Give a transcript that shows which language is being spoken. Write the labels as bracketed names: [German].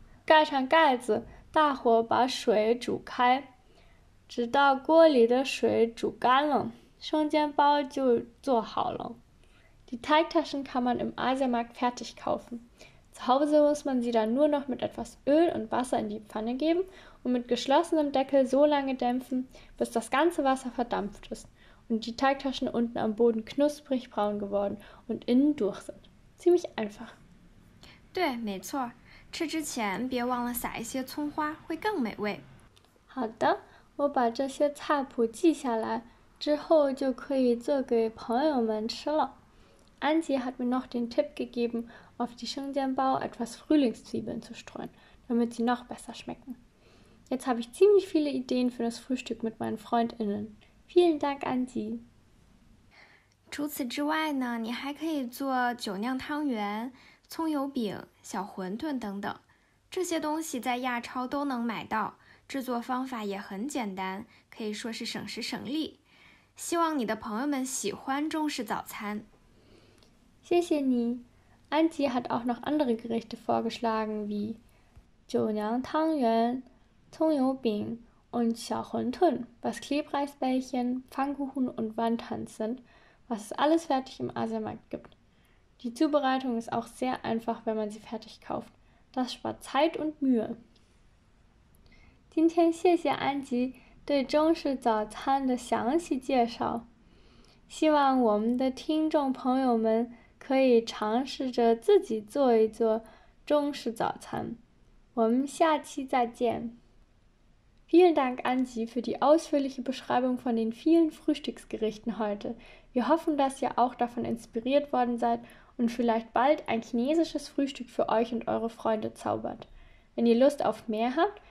[Chinese] Gai chang gai zi,大火把水煮开，直到锅里的水煮干了，生煎包就做好了。 [German] Die Teigtaschen kann man im Asiamarkt fertig kaufen. Zu Hause muss man sie dann nur noch mit etwas Öl und Wasser in die Pfanne geben und mit geschlossenem Deckel so lange dämpfen, bis das ganze Wasser verdampft ist und die Teigtaschen unten am Boden knusprig braun geworden und innen durch sind. Ziemlich einfach. [Chinese] 对，没错。吃之前别忘了撒一些葱花，会更美味。好的，我把这些菜谱记下来，之后就可以做给朋友们吃了。 [German] Angie hat mir noch den Tipp gegeben, auf die Shengjianbao etwas Frühlingszwiebeln zu streuen, damit sie noch besser schmecken. Jetzt habe ich ziemlich viele Ideen für das Frühstück mit meinen FreundInnen. Vielen Dank, Angie. [Chinese] 除此之外呢，你还可以做酒酿汤圆。葱油饼、小馄饨等等，这些东西在亚超都能买到，制作方法也很简单，可以说是省时省力。希望你的朋友们喜欢中式早餐。谢谢你。 [German] Anzi hat auch noch andere Gerichte vorgeschlagen, wie [Chinese] 酒酿汤圆、葱油饼 [German] und [Chinese] 小馄饨 [German] was Klebreisbällchen, Pfannkuchen und Wantons sind, was es alles fertig im Asiamarkt gibt. Die Zubereitung ist auch sehr einfach, wenn man sie fertig kauft. Das spart Zeit und Mühe. [Chinese] 今天谢谢安吉对中式早餐的详细介绍。希望我们的听众朋友们可以尝试着自己做一做中式早餐。我们下期再见。 [German] Vielen Dank, Anzi, für die ausführliche Beschreibung von den vielen Frühstücksgerichten heute. Wir hoffen, dass ihr auch davon inspiriert worden seid und vielleicht bald ein chinesisches Frühstück für euch und eure Freunde zaubert. Wenn ihr Lust auf mehr habt,